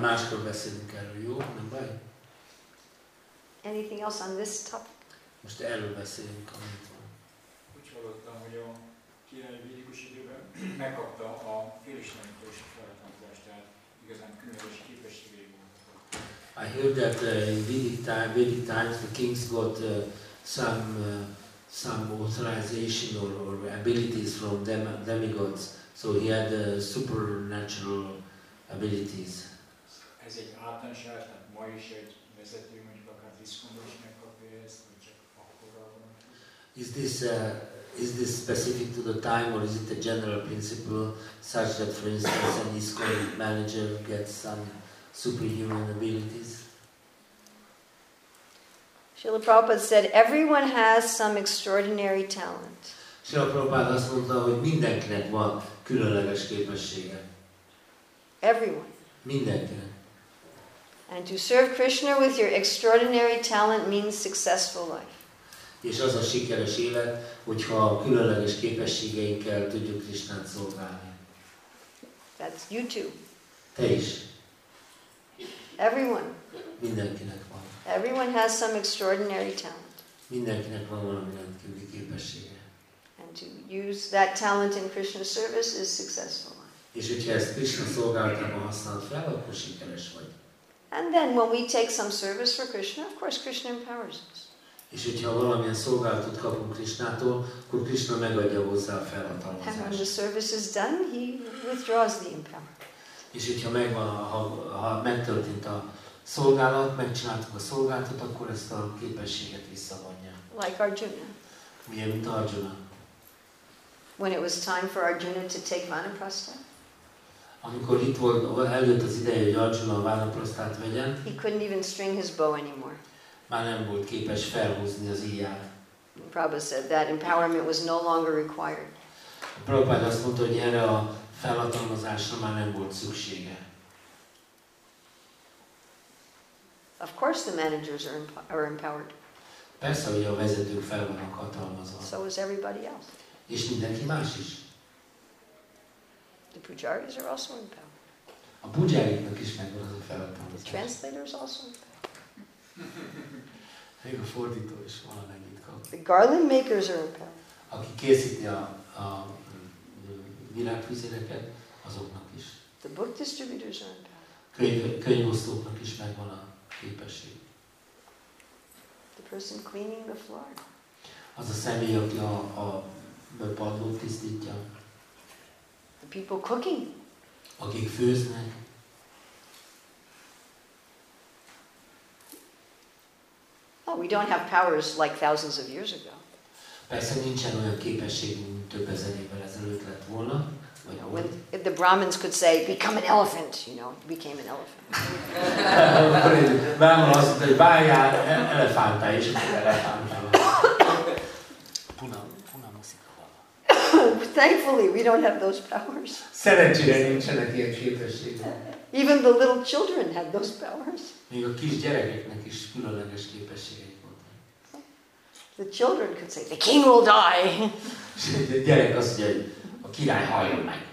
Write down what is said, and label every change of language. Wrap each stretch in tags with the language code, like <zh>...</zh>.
<hu>Máskor beszélünk erről, jó? Nem baj?</hu> <en>Anything else on this topic?</en> <hu>Most erről beszélünk, amit van. Úgy hallottam, hogy a királyi védikus időben megkapta a félisnámitól is a feltanítást, tehát igazán különös képességei voltak.</hu> <en>I heard that in Vedic times the kings got some authorization or abilities from demigods. So he had supernatural abilities.</en> <hu>Ez egy általánosság, tehát ma is egy vezető, mondjuk akár diszkondos megkapja ezt, vagy csak akkor</hu> <en>is this specific to the time, or is it a general principle, such that, for instance, an ISKCON manager gets some superhuman abilities? Srila Prabhupada said, everyone has some extraordinary talent.</en> <hu>Srila Prabhupada azt mondta, hogy mindenkinek van különleges képessége.</hu> <en>Everyone.</en> <hu>Mindenkinek.</hu> <en>And to serve Krishna with your extraordinary talent means successful life.</en> <hu>És az a sikeres élet, hogyha a különleges képességeinkkel tudjuk Krisnát szolgálni.</hu> <en>That's you too.</en> <hu>Te is.</hu> <en>Everyone.</en> <hu>Mindenkinek van.</hu> <en>Everyone has some extraordinary talent.</en> <hu>Mindenkinek van valami rendkívüli képessége.</hu> <en>And to use that talent in Krishna's service is successful.</en> <hu>És hogyha ezt Krishna szolgálatában használod fel, akkor sikeres vagy.</hu> <en>And then when we take some service for Krishna, of course Krishna empowers us.</en> <hu>És hogyha valamilyen szolgálatot kapunk Krishnától, akkor Krishna megadja hozzá a felhatalmazást.</hu> <en>And when the service is done, he withdraws the empowerment.</en> <hu>És hogyha megvan, ha megtörtént a szolgálat, megcsináltuk a szolgálatot, akkor ezt a képességet visszavonja.</hu> <en>Like Arjuna.</en> <hu>Milyen, mint Arjuna.</hu> <en>When it was time for Arjuna to take Vanaprastha.</en> <hu>Amikor itt volt, eljött az ideje, hogy Arjuna a Vanaprasthát vegyen.</hu> <en>He couldn't even string his bow anymore.</en> <hu>Már nem volt képes felhúzni az íját.</hu> <en>Prabhupada said that empowerment was no longer required.</en> <hu>Prabhupada azt mondta, hogy erre a felhatalmazásra már nem volt szüksége.</hu> <en>Of course the managers are empowered.</en> <hu>Persze, hogy a vezetők fel vannak hatalmazva.</hu> <en>So is everybody else.</en> <hu>És mindenki más is.</hu> <en>The pujaris are also empowered.</en> <hu>A pujáriknak is megvan az a felhatalmazás.</hu> <en>The translators also.</en> <hu>Még a fordító is valamennyit kap.</hu> <en>The garland makers are empowered.</en> <hu>Aki készíti a virágfüzéreket, azoknak is.</hu> <en>The book distributors are empowered.</en> <hu>Könyvosztóknak is megvan a képesség.</hu> <en>The person cleaning the floor.</en> <hu>Az a személy, aki a padlót tisztítja.</hu> <en>The people cooking.</en> <hu>Akik főznek.</hu> <en>Oh, we don't have powers like thousands of years ago.</en> <hu>Persze nincsen olyan képesség, mint több ezer évvel ezelőtt lett volna.</hu> <en>You know, when the Brahmins could say, become an elephant, you know, became an elephant.</en> <hu>Brahmin azt mondta, hogy váljál elefántá, és akkor elefántá. Puna muszik a hal.</hu> <en>Thankfully, we don't have those powers.</en> <hu>Szerencsére nincsenek ilyen képességek.</hu> <en>Even the little children had those powers.</en> <hu>Még a kis gyerekeknek is különleges képességeik voltak.</hu> <en>The children could say, the king will die.</en> <hu>A gyerek azt mondja, hogy a király haljon meg.</hu>